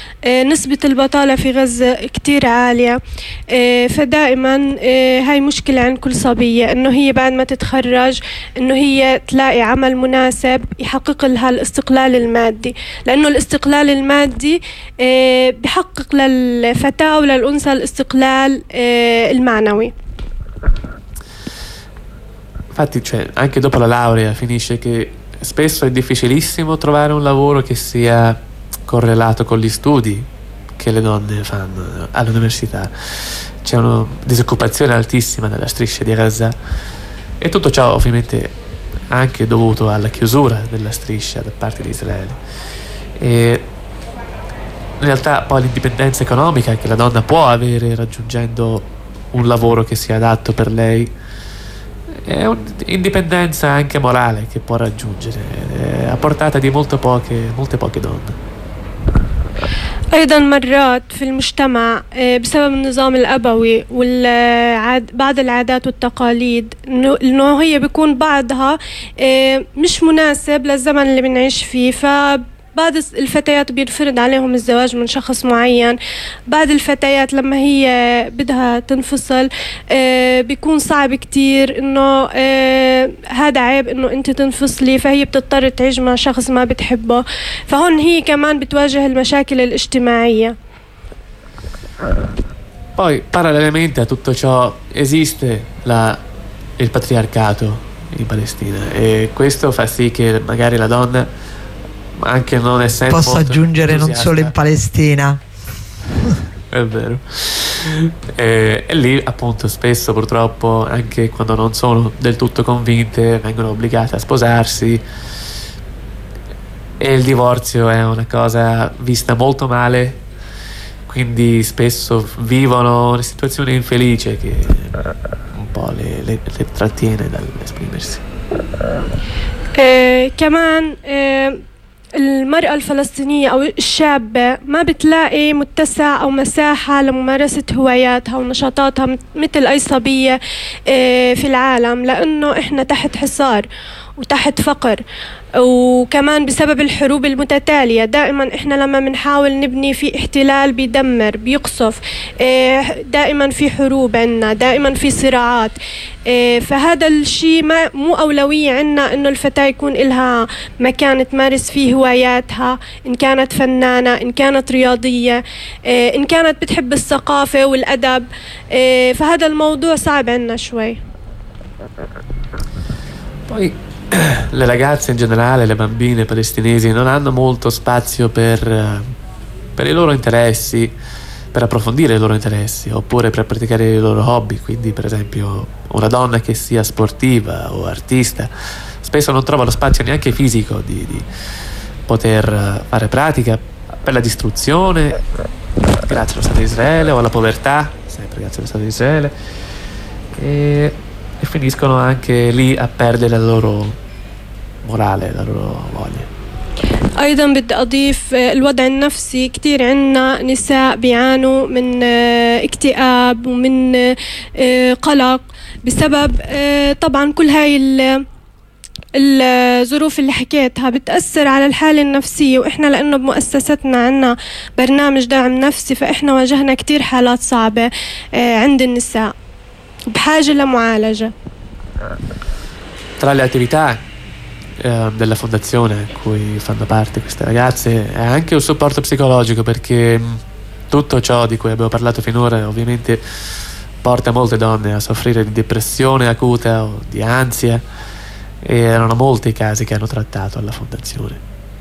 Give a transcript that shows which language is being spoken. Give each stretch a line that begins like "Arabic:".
Arabic: نسبة البطالة في غزة كتير عالية، فدائما هاي مشكلة عند كل صبية انه هي بعد ما تتخرج انه هي تلاقي عمل مناسب يحقق لها الاستقلال المادي، لانه الاستقلال المادي بيحقق للفتاة وللأنثى الاستقلال المعنوي.
Italian: Infatti, cioè, anche dopo la laurea finisce che spesso è difficilissimo trovare un lavoro che sia correlato con gli studi che le donne fanno all'università. C'è una disoccupazione altissima nella striscia di Gaza, e tutto ciò ovviamente anche dovuto alla chiusura della striscia da parte di Israele. E in realtà poi l'indipendenza economica che la donna può avere raggiungendo un lavoro che sia adatto per lei è un'indipendenza anche morale che può raggiungere, a portata di molte poche donne.
Arabic: ايضا مرات في المجتمع بسبب النظام الابوي بعض العادات والتقاليد انه هي بيكون بعضها مش مناسب للزمن اللي بنعيش فيه، فبعض الفتيات بينفرض عليهم الزواج من شخص معين. بعض الفتيات لما هي بدها تنفصل بيكون صعب كتير انه هذا عيب انه انت تنفصلي، فهي بتضطر تعيش مع شخص ما بتحبه، فهون هي كمان بتواجه المشاكل الاجتماعية.
Italian: Poi parallelamente a tutto ciò esiste il patriarcato in Palestina, e questo fa sì che magari la donna, anche non essendo, posso aggiungere, non solo in Palestina. È vero. E lì appunto spesso purtroppo, anche quando non sono del tutto convinte, vengono obbligate a sposarsi, e il divorzio è una cosa vista molto male, quindi spesso vivono una situazione infelice che un po' le trattiene dall'esprimersi.
Arabic: المرأة الفلسطينية أو الشابة ما بتلاقي متسع أو مساحة لممارسة هواياتها ونشاطاتها مثل أي صبية في العالم، لأنه إحنا تحت حصار وتحت فقر، وكمان بسبب الحروب المتتالية. دائما احنا لما بنحاول نبني في احتلال بيدمر بيقصف، دائما في حروب عنا، دائما في صراعات. فهذا الشيء ما مو أولوية عنا انه الفتاة يكون لها مكان تمارس فيه هواياتها، ان كانت فنانة، ان كانت رياضية، ان كانت بتحب الثقافة والأدب. فهذا الموضوع صعب عنا شوي. طيب
Italian: le ragazze in generale, le bambine palestinesi non hanno molto spazio per i loro interessi, per approfondire i loro interessi oppure per praticare i loro hobby. Quindi per esempio una donna che sia sportiva o artista spesso non trova lo spazio neanche fisico di poter fare pratica per la distruzione grazie allo Stato di Israele, o alla povertà sempre grazie allo Stato di Israele, e finiscono anche lì a perdere la loro morale, la loro voglia.
Arabic: ايضا بدي اضيف الوضع النفسي. كتير عنا نساء بيعانوا من اكتئاب ومن قلق بسبب طبعا كل هاي الظروف اللي حكيتها بتأثر على الحالة النفسية. وإحنا لأنه بمؤسستنا عنا برنامج دعم نفسي، فإحنا واجهنا كتير حالات صعبة عند النساء بحاجة لمعالجة.
Italian: Tra le attività della fondazione a cui fanno parte queste ragazze è anche un supporto psicologico, perché tutto ciò di cui abbiamo parlato finora ovviamente porta molte donne a soffrire di depressione acuta o di ansia, e erano molti i casi che hanno trattato alla fondazione.